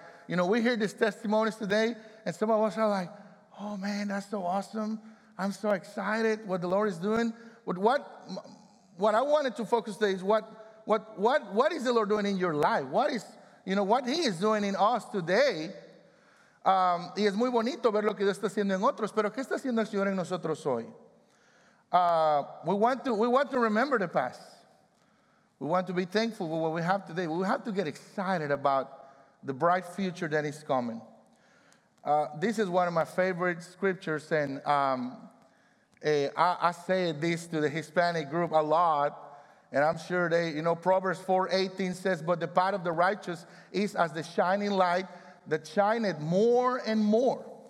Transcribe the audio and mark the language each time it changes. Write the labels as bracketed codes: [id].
[en] Like, we hear these testimonies today, and some of us are like, oh man, that's so awesome. I'm so excited what the Lord is doing. But what I wanted to focus today is what is the Lord doing in your life? What is, what he is doing in us today? [es] Y es muy bonito ver lo que Dios está haciendo en otros, pero ¿qué está haciendo el Señor en nosotros hoy? [en] We want to remember the past. We want to be thankful for what we have today. We have to get excited about the bright future that is coming. This is one of my favorite scriptures, and I say this to the Hispanic group a lot, and I'm sure they, you know, Proverbs 4:18 says, but the path of the righteous is as the shining light that shineth more and more.